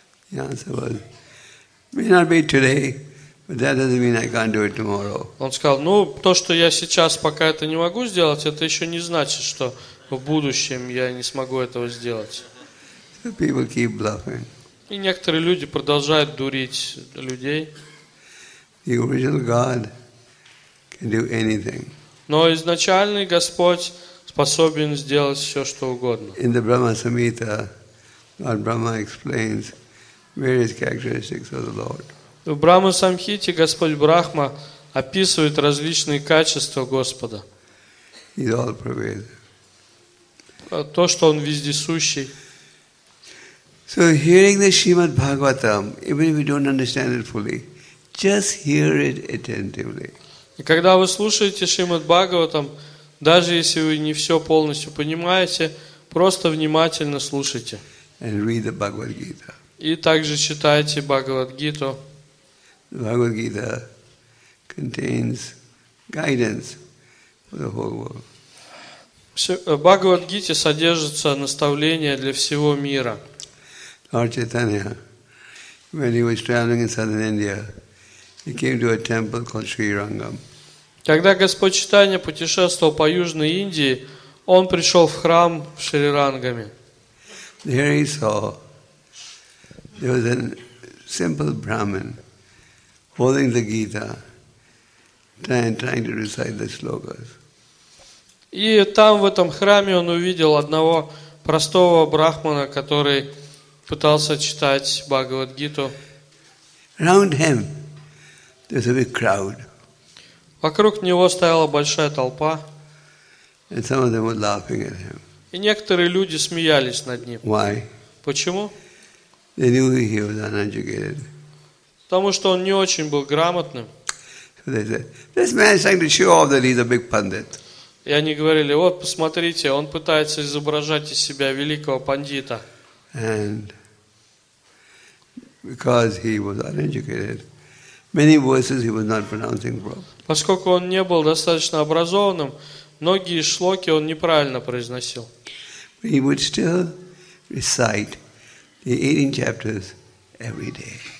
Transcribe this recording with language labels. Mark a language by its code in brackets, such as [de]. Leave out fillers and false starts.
[en] The answer was, "May not be today, but that doesn't mean I can't do it tomorrow." [ru] Он сказал, ну, то, что я сейчас пока это не могу сделать, это еще не значит, что в будущем я не смогу этого сделать. [en] So people keep bluffing. [ru] И некоторые люди продолжают дурить людей. [en] The original God can do anything. [ru] Но изначальный Господь способен сделать все, что угодно. [en] In the Brahma Samhita, Lord Brahma explains various characteristics of the Lord. [ru] В Брахма Самхите Господь Брахма описывает различные качества Господа. [en] He's all pervading. [ru] То, что Он вездесущий. [en] So hearing the Shrimad Bhagavatam, even if we don't understand it fully, just hear it attentively. [ru] И когда вы слушаете Шримад Бхагаватам, даже если вы не все полностью понимаете, просто внимательно слушайте. [en] And read the Bhagavad Gita. [ru] И также читайте Бхагавад Гиту. [en] The Bhagavad Gita contains guidance for the whole world. [ru] Бхагавад Гите содержится наставление для всего мира. [en] Lord Chaitanya, when he was traveling in southern India, He came to a temple called Sri Rangam. [ru] Когда Господь Чайтанья путешествовал по Южной Индии, он пришел в храм в Шри Рангаме. [en] There he saw there was a simple Brahmin holding the Gita and trying to recite the slokas. [ru] И там, в этом храме, он увидел одного простого брахмана, который пытался читать Бхагавад-гиту. [en] Around him there was a big crowd. [ru] Вокруг него стояла большая толпа. [en] And some of them were laughing at him. [ru] И некоторые люди смеялись над ним. [en] Why? [ru] Почему? [en] They knew he was uneducated. [ru] Потому что он не очень был грамотным. [en] So they said, this man is trying to show off that he's a big pundit. [ru] И они говорили, вот посмотрите, он пытается изображать из себя великого пандита. [en] And because he was uneducated, many verses he was not pronouncing properly. [ru] Поскольку он не был достаточно образованным, многие шлоки он неправильно произносил. [en] He would still recite the 18 chapters every day.